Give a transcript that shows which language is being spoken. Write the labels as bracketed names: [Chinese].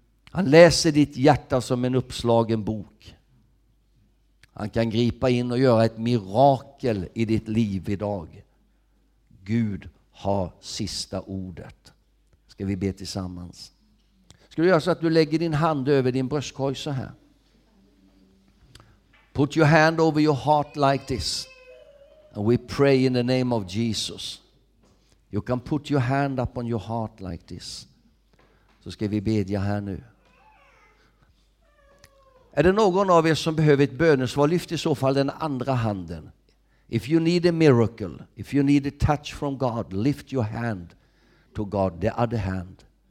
[Swedish] Han läser ditt hjärta som en uppslagen bok. Han kan gripa in och göra ett mirakel i ditt liv idag. Gud har sista ordet. Ska vi be tillsammans? Ska du göra så att du lägger din hand över din bröstkorg så här? [English] Put your hand over your heart like this. And we pray in the name of Jesus. You can put your hand up on your heart like this. [Swedish] Så ska vi bedja här nu. Är det någon av er som behöver ett bönesvar? Lyft i så fall den andra handen. [English] If you need a miracle, if you need a touch from God, lift your hand to God, the other hand.